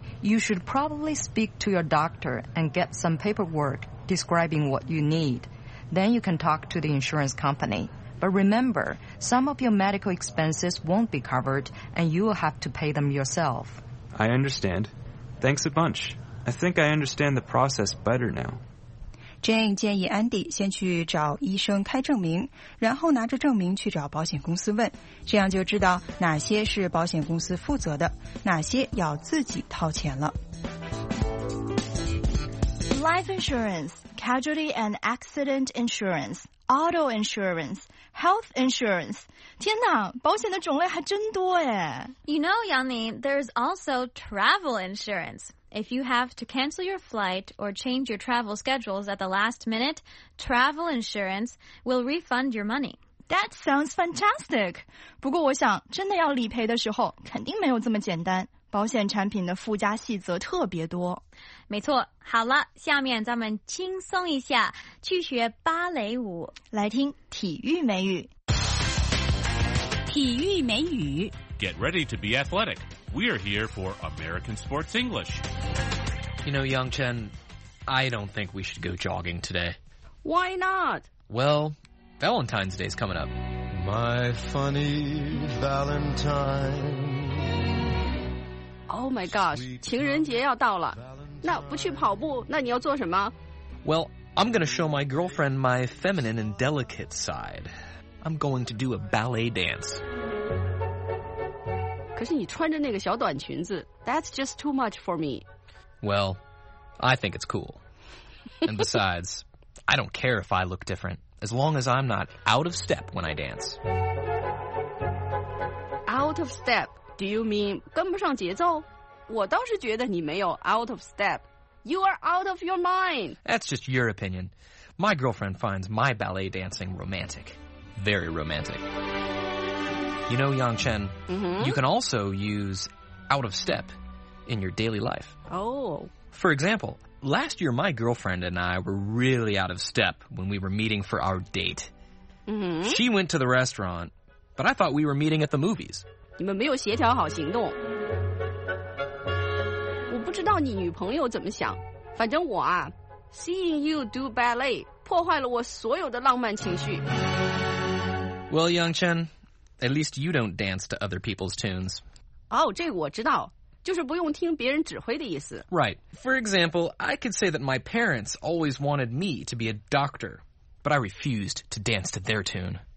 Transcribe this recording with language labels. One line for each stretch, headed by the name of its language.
English: You should probably speak to your doctor and get some paperwork describing what you need. Then you can talk to the insurance company. But remember, some of your medical expenses won't be covered and you will have to pay them yourself. I understand. Thanks a bunch. I think I understand the process better now.
Chinese: Jane 建议 Andy 先去找医生开证明，然后拿着证明去找保险公司问，这样就知道哪些是保险公司负责的，哪些要自己掏钱了。
English: Life insurance, casualty and accident insurance, auto insurance, health insurance.
Chinese: 天哪，保险的种类还真多耶。
English: You know, Yanni, there's also travel insurance. If you have to cancel your flight or change your travel schedules at the last minute, travel insurance will refund your money. That sounds fantastic.
Chinese: 不过我想真的要理赔的时候肯定没有这么简单。保险产品的附加细则特别多。没错，好了，下面咱们轻松一下，去学芭蕾舞。来听体育美语。体育美语。
English: Get ready to be athletic. We are here for American Sports English. You know, Yangchen, I don't think we should go jogging today. Why not? Well, Valentine's Day is coming up. My funny Valentine. Oh my gosh,
Chinese: 情人节要到了。那不去跑步，那你要做什么？
English: Well, I'm going to show my girlfriend my feminine and delicate side. I'm going to do a ballet dance.
Chinese: 可是你穿着那个小短裙子
English: That's just too much for me. Well, I think it's cool. And besides, I don't care if I look different, as long as I'm not out of step when I dance. Out of step? Do you mean
Chinese: 跟不上节奏？我倒是觉得你没有
English: out of step. You are out of your mind. That's just your opinion. My girlfriend finds my ballet dancing romantic. Very romantic. You know, Yangchen,、you can also use out of step in your daily life. Oh. For example, last year my girlfriend and I were really out of step when we were meeting for our date. She went to the restaurant, but I thought we were meeting at the movies.
Chinese: 你们没有协调好行动。我不知道你女朋友怎么想。反正我啊 ,
English: seeing you do ballet
Chinese: 破坏了我所有的浪漫情绪。
English: Well, Yangchen,At least you don't dance to other people's tunes.
Chinese: Oh, 这个我知道，就是不用听别人指挥的意思。
English: Right. For example, I could say that my parents always wanted me to be a doctor, but I refused to dance to their tune.